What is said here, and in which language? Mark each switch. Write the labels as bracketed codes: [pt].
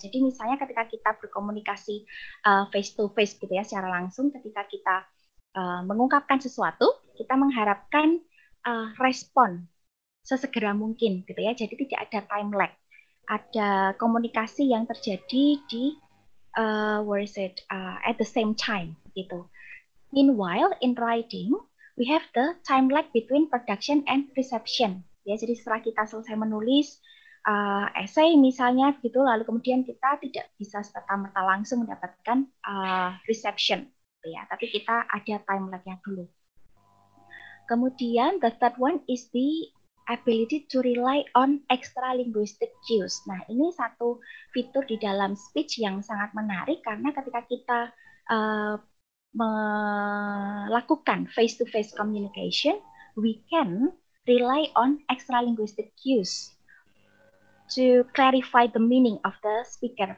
[id] Jadi misalnya ketika kita berkomunikasi [en] face to face [id] gitu ya, secara langsung, ketika kita mengungkapkan sesuatu, kita mengharapkan respon sesegera mungkin gitu ya. Jadi tidak ada time lag. Ada komunikasi yang terjadi di [en] where is it at the same time [id] gitu. [en] Meanwhile, in writing, we have the time lag between production and reception. [id] Ya, jadi setelah kita selesai menulis essay misalnya gitu, lalu kemudian kita tidak bisa serta-merta langsung mendapatkan reception, gitu ya. Tapi kita ada time lag-nya dulu. Kemudian [en] the third one is the ability to rely on extra linguistic cues. [id] Nah, ini satu fitur di dalam speech yang sangat menarik karena ketika kita melakukan [en] face-to-face communication, we can rely on extra linguistic cues to clarify the meaning of the speaker.